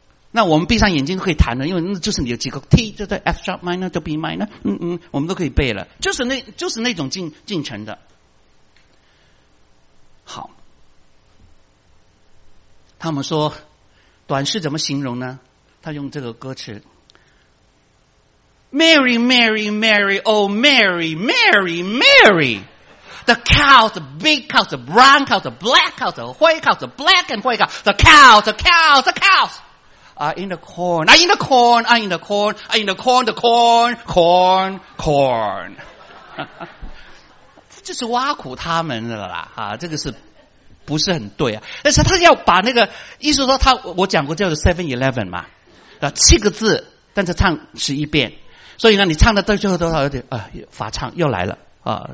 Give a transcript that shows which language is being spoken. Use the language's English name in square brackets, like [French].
[Chinese] 那我们闭上眼睛可以弹的，因为那就是你的结构 T 就在 F sharp minor 就 B minor， 我们都可以背了，就是那种进程的。好，他们说短诗怎么形容呢？ [English] 他用这个歌词 Mary Mary Mary Oh Mary Mary MaryThe cow, the big cow, the brown cow, the black cow, the white cow, the black and white cow, the cow, the cow, the cows are in the corn, are in the corn, are in the corn, are in the corn, the corn, corn, corn. [Chinese] 这是挖苦他们的啦，啊，这个是不是很对啊？但是他要把那个，意思说他，我讲过叫做 7-11 嘛，啊，七个字，但是唱十一遍，所以呢，你唱的到最后多少有点啊，乏唱又来了啊。